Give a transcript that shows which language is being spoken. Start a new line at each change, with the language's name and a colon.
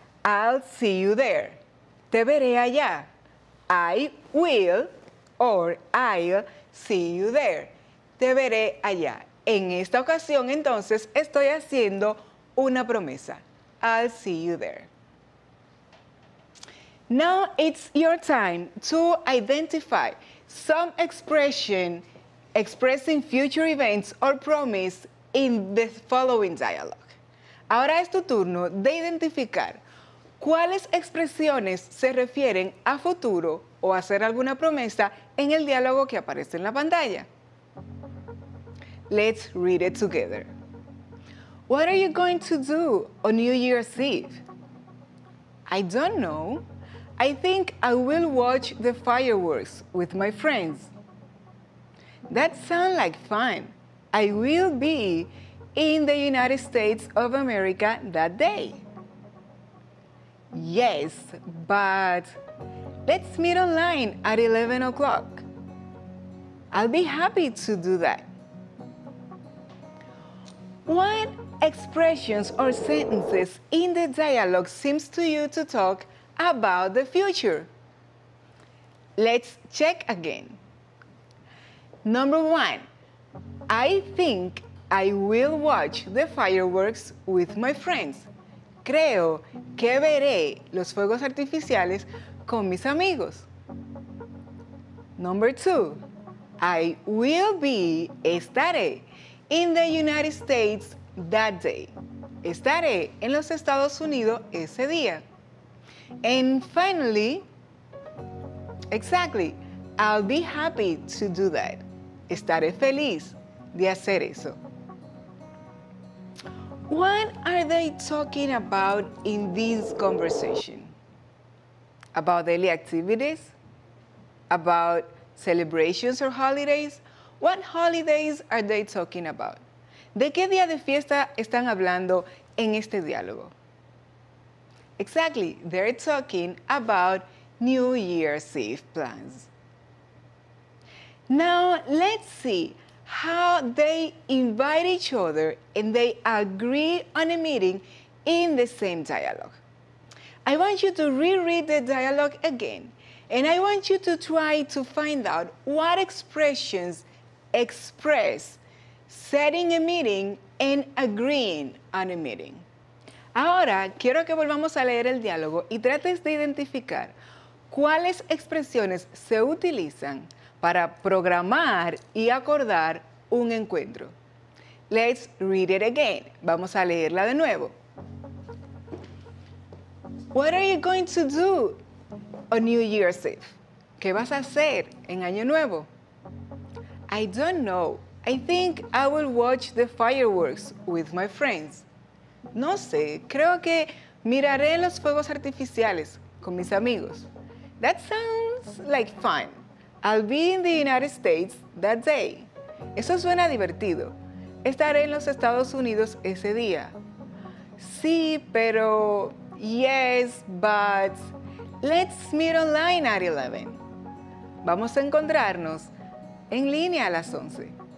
English: I'll see you there.
Spanish: Te veré allá.
English: I will or I'll see you there.
Spanish: Te veré allá. En esta ocasión, entonces, estoy haciendo una promesa.
English: I'll see you there. Now it's your time to identify some expression expressing future events or promise in the following dialogue.
Spanish: Ahora es tu turno de identificar cuáles expresiones se refieren a futuro o hacer alguna promesa en el diálogo que aparece en la pantalla.
English: Let's read it together. What are you going to do on New Year's Eve? I don't know. I think I will watch the fireworks with my friends. That sounds like fun. I will be in the United States of America that day. Yes, but let's meet online at 11 o'clock. I'll be happy to do that. What expressions or sentences in the dialogue seems to you to talk about the future? Let's check again. Number one, I think I will watch the fireworks with my friends.
Spanish: Creo que veré los fuegos artificiales con mis amigos.
English: Number two, I will be,
Spanish: estaré,
English: in the United States that day.
Spanish: Estaré en los Estados Unidos ese día.
English: And finally, exactly, I'll be happy to do that.
Spanish: Estaré feliz de hacer eso.
English: What are they talking about in this conversation? About daily activities? About celebrations or holidays? What holidays are they talking about?
Spanish: ¿De qué día de fiesta están hablando en este diálogo?
English: Exactly, they're talking about New Year's Eve plans. Now, let's see how they invite each other and they agree on a meeting in the same dialogue. I want you to reread the dialogue again, and I want you to try to find out what expressions express setting a meeting and agreeing on a meeting.
Spanish: Ahora, quiero que volvamos a leer el diálogo y trates de identificar cuáles expresiones se utilizan para programar y acordar un encuentro.
English: Let's read it again.
Spanish: Vamos a leerla de nuevo.
English: What are you going to do on New Year's Eve?
Spanish: ¿Qué vas a hacer en Año Nuevo?
English: I don't know. I think I will watch the fireworks with my friends.
Spanish: No sé, creo que miraré los fuegos artificiales con mis amigos.
English: That sounds like fun. I'll be in the United States that day.
Spanish: Eso suena divertido. Estaré en los Estados Unidos ese día. Sí, pero...
English: Yes, but... Let's meet online at 11.
Spanish: Vamos a encontrarnos en línea a las 11.